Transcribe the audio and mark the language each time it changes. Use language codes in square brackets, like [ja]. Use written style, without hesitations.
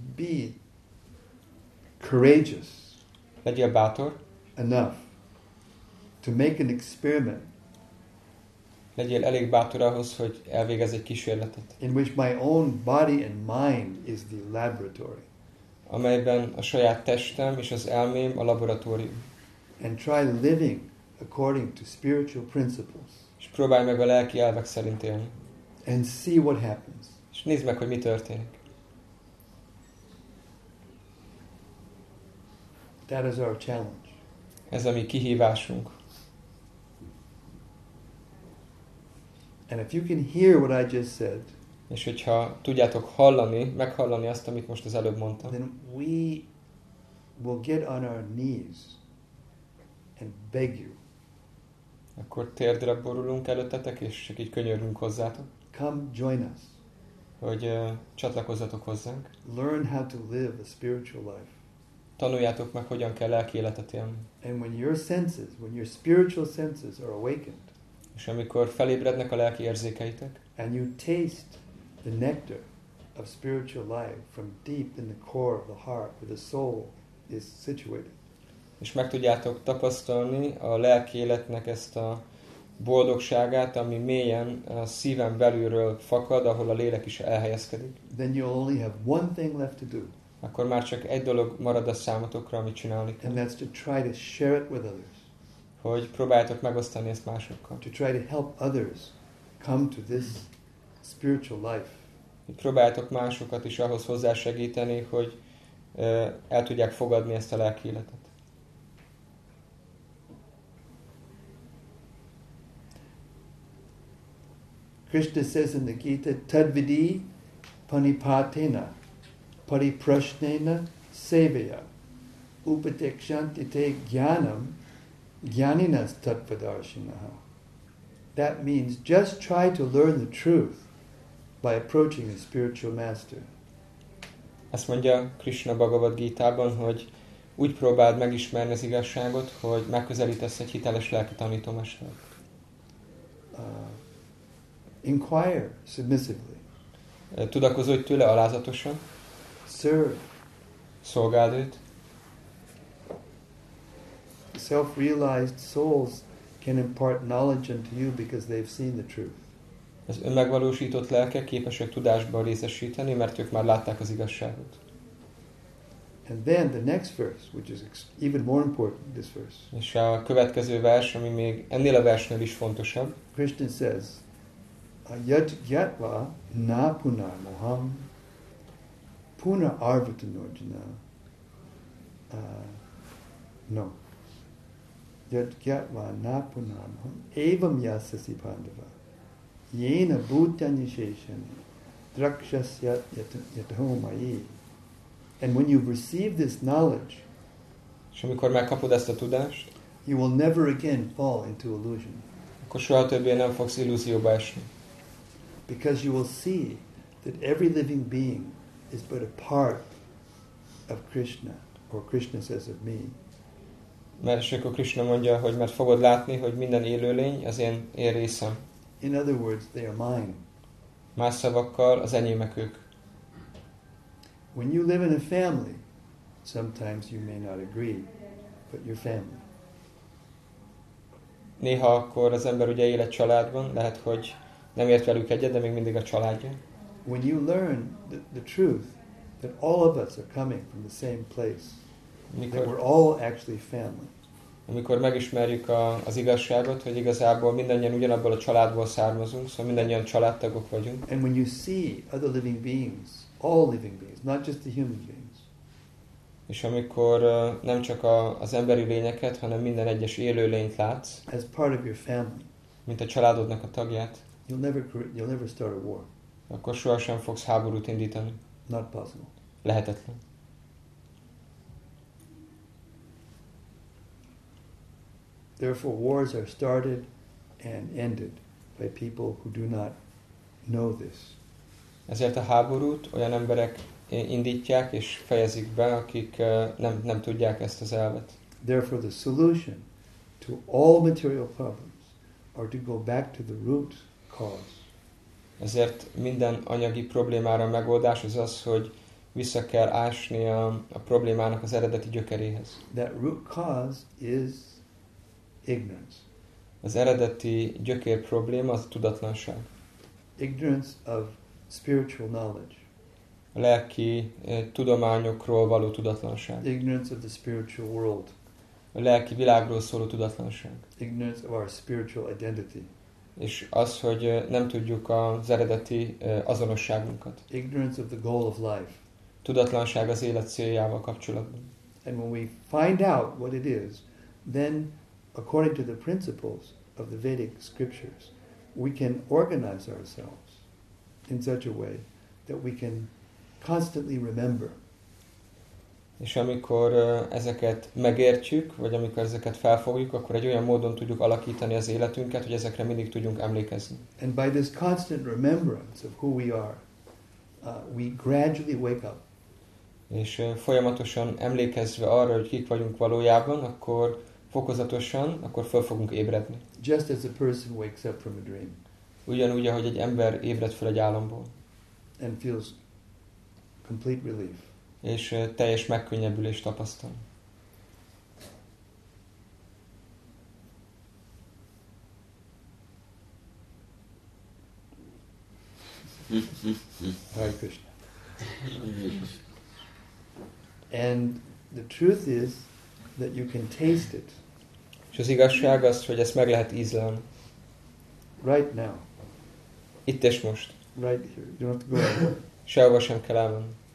[en] Be courageous. [hu] Legyél bátor. [en] Enough to make an experiment. [hu] Legyél elég bátor ahhoz, hogy elvégezz egy kísérletet. [en] In which my own body and mind is the laboratory. [hu] Amelyben a saját testem és az elmém a laboratórium. [en] And try living according to spiritual principles. [hu] És próbálj meg a lelki elvek szerint élni. [en] And see what happens. [hu] És nézd meg, hogy mi történik. [en] That is our challenge. [hu] Ez a mi kihívásunk. [en] And if you can hear what I just said, [hu] és hogyha tudjátok hallani, meghallani azt, amit most az előbb mondtam, [en] then we will get on our knees and beg you. [hu] Akkor térdre borulunk előttetek, és csak így könyörgünk hozzátok. [en] Come join us. [hu] Hogy csatlakozzatok hozzánk. [en] Learn how to live a spiritual life. [hu] Tanuljátok meg, hogyan kell lelki életet élni. [en] And when your senses, when your spiritual senses are awakened, [hu] és amikor felébrednek a lelki érzékeitek, [en] and you taste the nectar of spiritual life from deep in the core of the heart where the soul is situated, [hu] és meg tudjátok tapasztalni a lelki életnek ezt a boldogságát, ami mélyen a szívem belülről fakad, ahol a lélek is elhelyezkedik, [en] then you only have one thing left to do, [hu] akkor már csak egy dolog marad a számotokra, amit csinálni kell, [en] and that's to try to share it with others, [hu] hogy próbáljátok megosztani ezt másokkal. [en] To try to help others come to this spiritual life. [hu] Hogy próbáljátok másokat is ahhoz hozzásegíteni, hogy el tudják fogadni ezt a lelki életet. [en] Krishna says in the Gita, [sa] tadvidi panipatena pariprasnena sevaya upatekshanti te jnanam Gyaninas tatvadarshinaha. [en] That means just try to learn the truth by approaching a spiritual master. [hu] Azt mondja Krishna Bhagavad Gita-ban, hogy úgy próbáld megismerni az igazságot, hogy megközelítesz egy hiteles lelki tanítómestert. [en] Inquire submissively. [hu] Tudakozódj tőle alázatosan. [en] Serve. [hu] Szolgáld őt. [en] Self-realized souls can impart knowledge unto you because they've seen the truth. [hu] Az önmegvalósított lelkek képesek tudásba részesíteni, mert ők már látták az igazságot. [en] And then the next verse, which is even more important, this verse. [hu] És a következő vers, ami még ennél a versnél is fontosabb. [en] Krishna says, [sa] "Yat yatva na punar moham, puna arvatanojna." No. Yat yatva na punar moham, evam yasasi pandava. Yena bhutani sheshani, drakshasya yatahomayi. [en] And when you receive this knowledge, [hu] és amikor megkapod ezt a tudást, [en] you will never again fall into illusion. [hu] Akkor soha többé nem fogsz illúzióba esni. [en] Because you will see that every living being is but a part of Krishna, or Krishna says of me. [hu] Mert és akkor Krishna mondja, hogy mert fogod látni, hogy minden élőlény az én részem. [en] In other words, they are mine. [hu] Más szavakkal, az enyémek ők. [en] When you live in a family, sometimes you may not agree, but you're family. [hu] Néha akkor az ember ugye él egy családban, lehet, hogy nem ért velük egyet, de még mindig a családja. [en] When you learn the truth that all of us are coming from the same place, that we're all actually family. [hu] Amikor megismerjük az igazságot, hogy igazából mindannyian ugyanabból a családból származunk, szóval mindannyian családtagok vagyunk. [en] And when you see other living beings, all living beings, not just the human beings. [hu] És amikor nem csak az emberi lényeket, hanem minden egyes élő lényt látsz, [en] as part of your family, [hu] mint a családodnak a tagját, [en] you'll never start a war. [hu] Akkor sohasem fogsz háborút indítani. [en] Not possible. [hu] Lehetetlen. [en] Therefore, wars are started and ended by people who do not know this. [hu] Ezért a háborút olyan emberek indítják és fejezik be, akik nem tudják ezt az elvet. [en] Therefore, the solution to all material problems are to go back to the root cause. [hu] Ezért minden anyagi problémára megoldás az az, hogy vissza kell ásni a problémának az eredeti gyökeréhez. [en] That root cause is ignorance. [hu] Az eredeti gyökér probléma az tudatlanság. [en] Ignorance of spiritual knowledge. [hu] A lelki tudományokról való tudatlanság. [en] Ignorance of the spiritual world. [hu] A lelki világról szóló tudatlanság. [en] Ignorance of our spiritual identity. [hu] És az, hogy nem tudjuk az eredeti azonosságunkat. [en] Ignorance of the goal of life. [hu] Tudatlanság az élet céljával kapcsolatban. [en] And when we find out what it is, then according to the principles of the Vedic scriptures, we can organize ourselves in such a way that we can constantly remember. [hu] És amikor ezeket megértjük, vagy amikor ezeket felfogjuk, akkor egy olyan módon tudjuk alakítani az életünket, hogy ezekre mindig tudjunk emlékezni. [en] And by this constant remembrance of who we are, we gradually wake up. [hu] És folyamatosan emlékezve arra, hogy kik vagyunk valójában, akkor fokozatosan, akkor fel fogunk ébredni. [en] Just as a person wakes up from a dream. [hu] Ugyanúgy, ahogy egy ember ébred fel egy álomból. [en] And feels complete relief. [hu] És teljes megkönnyebbülést tapasztal. [sa] Hare Krishna. [en] And the truth is that you can taste it. [hu] És az igazság az, hogy ezt meg lehet ízlelni. [en] Right now. [hu] Itt és most. [en] Right here. You don't have to go anywhere. [hu] Sehova sem kell elmenni.